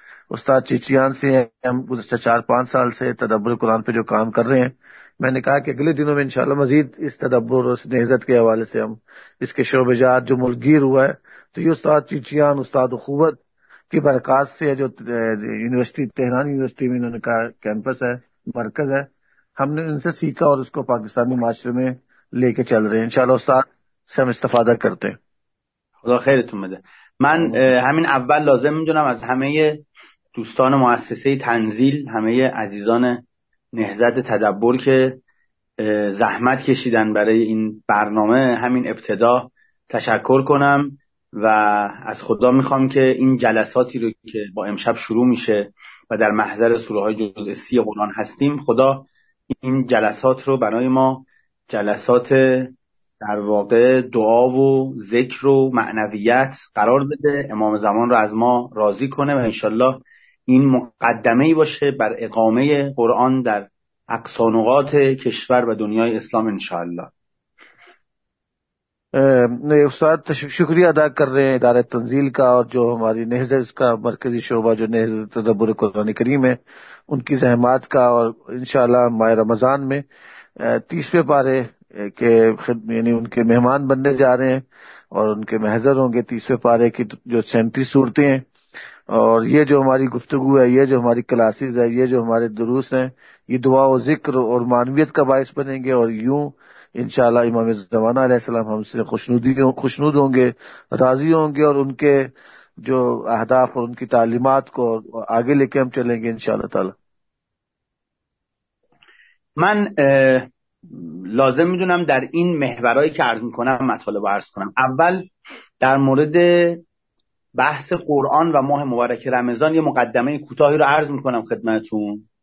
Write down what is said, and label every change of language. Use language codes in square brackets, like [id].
[ur] استاد چیچیان سے، ہم گزشتہ 4-5 سال سے تدبر قرآن پہ جو کام کر رہے ہیں، میں نے کہا کہ اگلے دنوں میں انشاءاللہ مزید اس تدبر اور اس نہضت کے حوالے سے ہم اس کے شعبے جات جو ملک گیر ہوا ہے، تو یہ استاد چیچیان استاد اخوت کی برکات سے ہے، جو یونیورسٹی تہران یونیورسٹی میں انہوں نے کہا کیمپس ہے، مرکز ہے، ہم نے ان سے سیکھا اور اس کو پاکستانی معاشرے میں لے کے چل رہے ہیں، انشاءاللہ استاد سے ہم استفادہ کرتے ہیں۔ [fa] خدا خیرتون بده. من همین اول لازم میدونم از همه دوستان مؤسسه تنزیل، همه عزیزان نهضت تدبر که زحمت کشیدن برای این برنامه، همین ابتدا تشکر کنم و از خدا میخوام که این جلساتی رو که با امشب شروع میشه و در محضر سوره های جزء 30 قرآن هستیم، خدا این جلسات رو برای ما جلسات در واقع دعا و ذکر و معنویت قرار بده، امام زمان رو از ما راضی کنه و انشالله این مقدمه باشه بر اقامه قرآن در اقصا نقاط کشور و دنیای اسلام انشالله. [ur] استاد شکریہ ادا کر رہے ہیں ادارہ تنزیل کا اور جو ہماری نہضت کا مرکزی شعبہ جو نہضت تدبر قرآن کریم ہے ان کی زحمات کا، اور انشاءاللہ ماہ رمضان میں 30ویں پارے کے خدمت یعنی ان کے مہمان بننے جا رہے ہیں اور ان کے محضر ہوں گے 30ویں پارے کی جو 37 صورتیں ہیں، اور یہ جو ہماری گفتگو ہے، یہ جو ہماری کلاسز ہے، یہ جو ہمارے دروس ہیں، یہ دعا و ذکر اور معنویت کا باعث بنیں گے، اور یوں انشاءاللہ امام زمانہ علیہ السلام ہم سے خوشنود ہوں گے، راضی ہوں گے، اور ان کے جو اہداف اور ان کی تعلیمات کو آگے لے کے ہم چلیں گے انشاءاللہ تعالی. [fa] من لازم میدونم در این محورایی که عرض میکنم مطالب عرض کنم. اول در مورد بحث قرآن و ماه مبارک رمضان یه مقدمه کوتاهی رو عرض میکنم خدمتون.